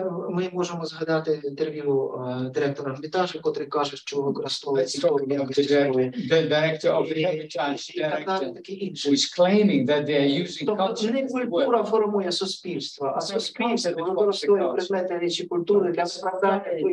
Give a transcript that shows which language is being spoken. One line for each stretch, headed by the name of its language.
Ukrainian: ми можемо згадати інтерв'ю директора Ермітажу, котрий каже, що використовується
English: the director of the Ermitage, which claiming that they are using culture.
Ukrainian: Не культура формує суспільство, а суспільство використовує предмети речі культури для справдання